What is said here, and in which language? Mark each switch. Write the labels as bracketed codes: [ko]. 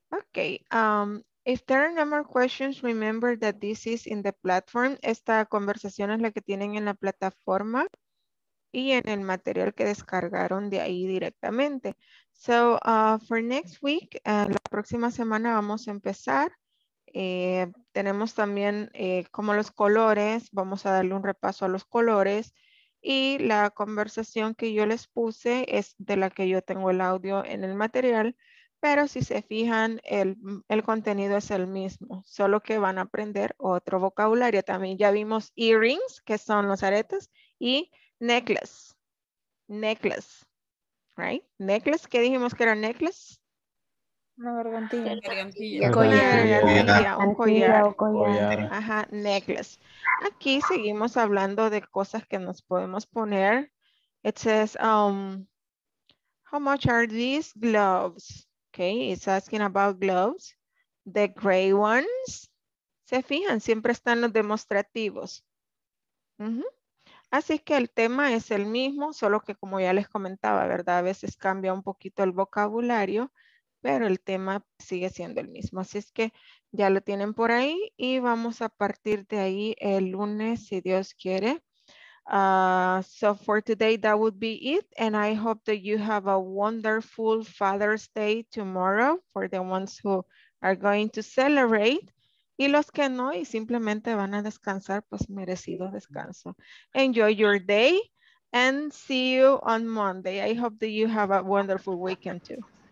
[en] Okay, if there are no more questions, remember that this is in the platform. [es] Esta conversación es la que tienen en la plataforma y en el material que descargaron de ahí directamente. [en] So, for next week, [es] la próxima semana vamos a empezar. Tenemos también como los colores, vamos a darle un repaso a los colores. Y la conversación que yo les puse es de la que yo tengo el audio en el material. Pero si se fijan, el contenido es el mismo, solo que van a aprender otro vocabulario. También ya vimos earrings, que son los aretes, y necklace. Necklace, right? Necklace, ¿qué dijimos que era necklace? Una gargantilla. Collar. Ajá, necklace. Aquí seguimos hablando de cosas que nos podemos poner. [en] It says, how much are these gloves? Okay, it's asking about gloves. The gray ones, [es] ¿Se fijan? Siempre están los demostrativos. Así que el tema es el mismo, solo que como ya les comentaba, ¿verdad? A veces cambia un poquito el vocabulario, pero el tema sigue siendo el mismo. Así es que ya lo tienen por ahí y vamos a partir de ahí el lunes, si Dios quiere. [en] So for today, that would be it. And I hope that you have a wonderful Father's Day tomorrow for the ones who are going to celebrate. [es] Y los que no y simplemente van a descansar, pues merecido descanso. [en] Enjoy your day and see you on Monday. I hope that you have a wonderful weekend too.